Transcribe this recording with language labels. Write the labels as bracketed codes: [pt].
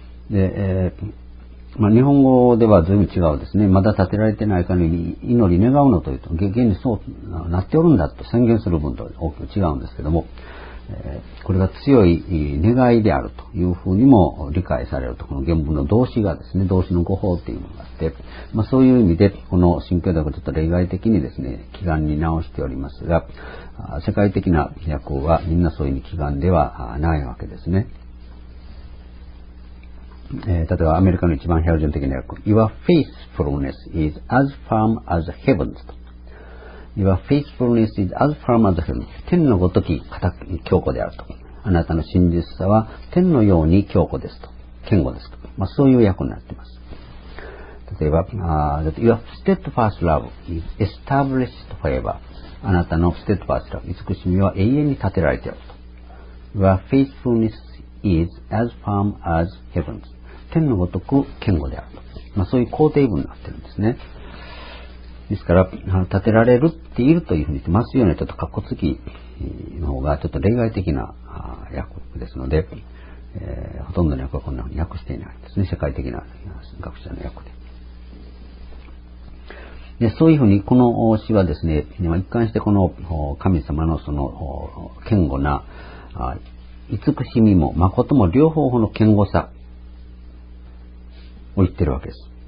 [ja] で、日本語では随分違うですね。まだ建てられてない限り祈り願うのというと、現にそうなっておるんだと宣言する分と大きく違うんですけども、これが強い願いであるというふうにも理解されると、この原文の動詞がですね、動詞の語法というのがあって、まあ、そういう意味でこの新教訳はちょっと例外的にですね、祈願に直しておりますが、世界的な訳はみんなそういう意味祈願ではないわけですね。例えばアメリカの一番標準的な訳、 [en] Your faithfulness is as firm as heavens. Your faithfulness is as firm as heavens. [ja] 天のごとき固く強固であると。あなたの真実さは天のように強固ですと、堅固ですと、まあ、そういう訳になっています。例えば、 [en] that Your steadfast love is established forever. [ja] あなたの steadfast love、 慈しみは永遠に立てられていると。 [en] Your faithfulnessis as firm as heavens. [ja] 天のごとく堅固であると、まあ、そういう肯定文になっているんですね。ですから、立てられるっているというふうに言ってますよね。ちょっとカッコつきの方がちょっと例外的な訳ですので、ほとんどの訳はこんなふうに訳していないですね。世界的な学者の訳 でそういうふうにこの詩はですね、一貫してこの神様のその堅固な慈しみも誠も両方の堅固さを言ってるわけです。